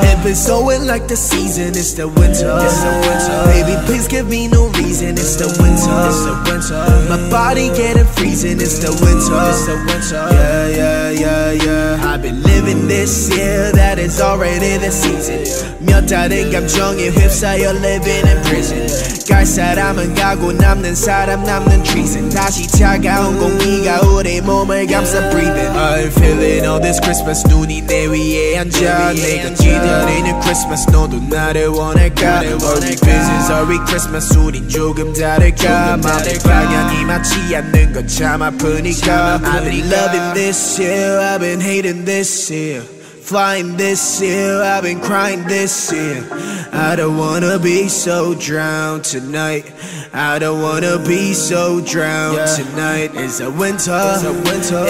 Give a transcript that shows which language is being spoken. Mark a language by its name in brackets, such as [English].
[English] If it's snowing like the season, it's the winter. It's the winter. Baby, please give me no reason, it's the winter. It's the winter. My body getting freezing, it's the winter. It's the winter. Yeah. I've been living this year, that is already the season. [Korean] 몇 달은 감정에 휩싸여 [English] living in prison. [Korean] 갈 사람은 가고 남는 사람 남는 [English] treason. [Korean] 다시 차가운 공기가 우리 몸을 감싸 [English] breathing. I'm feeling all this Christmas, [Korean] 눈이 내 위에 앉아. 내가 기다리는 Christmas, 너도 나를 원할까? [English] Are we business, are we Christmas, [Korean] 우린 조금 다를까? 맘의 방향이 맞지 않는 건 참 아프니까. [English] I've been loving this year, I've been hating this year. Flying this year, I've been crying this year. I don't wanna be so drowned tonight. I don't wanna be so drowned tonight. It's a winter, it's a winter.